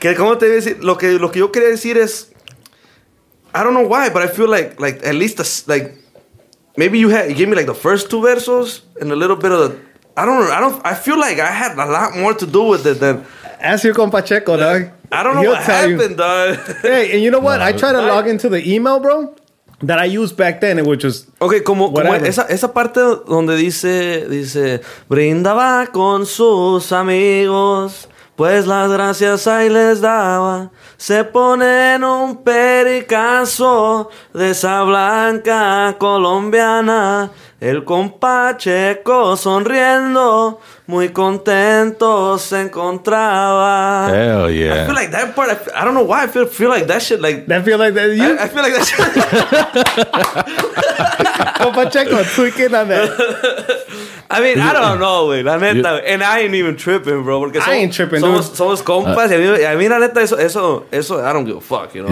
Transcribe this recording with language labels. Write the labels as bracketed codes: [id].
[es] Que como te voy a decir, lo que yo quería decir es, [en] I don't know why, but I feel like at least, maybe you gave me like the first two versos and a little bit of the, I feel like I had a lot more to do with it than. Ask your compa Checo, dog. I don't know what happened, dog. Hey, and you know what? I tried to log into the email, bro. that I used back then, which was okay. [es] Como, como esa parte donde dice brindaba con sus amigos, pues las gracias ahí les daba. Se ponen un pericazo de esa blanca colombiana. El compa Checo sonriendo, muy contento se encontraba. [en] Hell yeah. I feel like that part, I don't know why, I feel like that shit, like... That feel like that, you? I feel like that shit. Compa Checo, tweaking on that. I mean, I don't know, [es] güey, la neta, [en] and I ain't even tripping, bro, [es] porque [en] I ain't tripping, dude. [es] Somos compas, y a mí la neta, eso, [en] I don't give a fuck, you know?